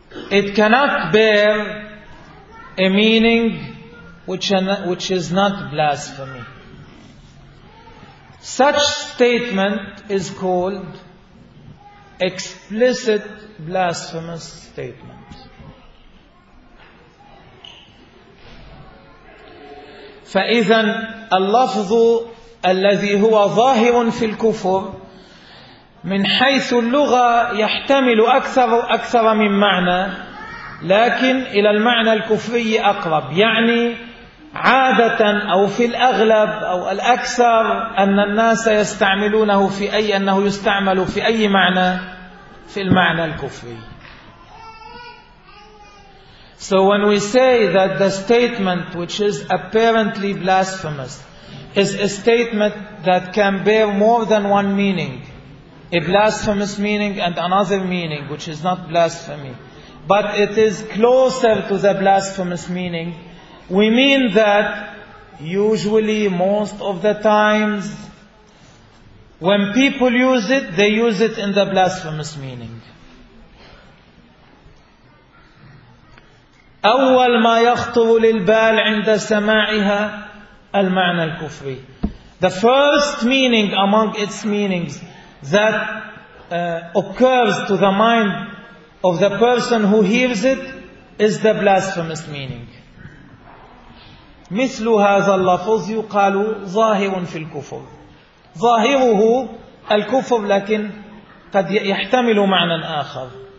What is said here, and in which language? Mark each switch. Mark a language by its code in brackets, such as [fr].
[en] It cannot bear a meaning which is not blasphemy. Such statement is called explicit blasphemous statement. [ar] فإذا اللفظ الذي هو ظاهر في الكفر من حيث اللغة يحتمل أكثر من معنى لكن إلى المعنى الكفري أقرب، يعني عادة أو في الأغلب أو الأكثر أن الناس يستعملونه في أي أنه يستعمل في أي معنى في المعنى الكفري. [en] So when we say that the statement which is apparently blasphemous is a statement that can bear more than one meaning, a blasphemous meaning and another meaning which is not blasphemy, but it is closer to the blasphemous meaning, we mean that usually most of the times when people use it, they use it in the blasphemous meaning. [ar] أول ما يخطر للبال عند سماعها المعنى الكفري. [en] The first meaning among its meanings that occurs to the mind of the person who hears it is the blasphemous meaning. [ar] مثل هذا اللفظ يقال ظاهر في الكفر. ظاهره الكفر لكن قد يحتمل معنى آخر.